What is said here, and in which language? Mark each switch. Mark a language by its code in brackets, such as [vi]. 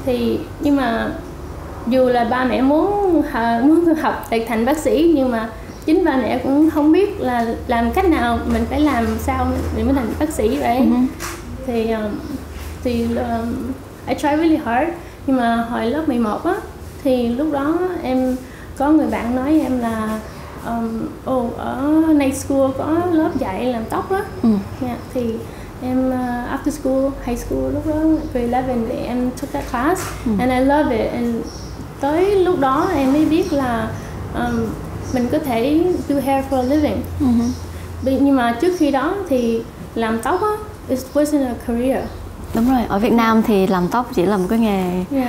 [vi] Thì nhưng mà dù là ba mẹ muốn học để thành bác sĩ, nhưng mà chính ba mẹ cũng không biết là làm cách nào mình phải làm sao để mới thành bác sĩ, [en] right? Mm-hmm. Thì I tried really hard. [vi] Nhưng mà hồi lớp 11 á, thì lúc đó em có người bạn nói em là ở [en] night school [vi] có lớp dạy làm tóc á. [en] Yeah, [vi] thì em [en] after school, high school [vi] lúc đó [en] grade 11 thì em took that class and I love it. And [vi] tới lúc đó em mới biết là mình có thể [en] do hair for a living. [vi] Nhưng mà trước khi đó thì làm tóc á, [en] it wasn't a career. [vi] Đúng rồi, ở Việt Nam thì làm tóc chỉ là một cái nghề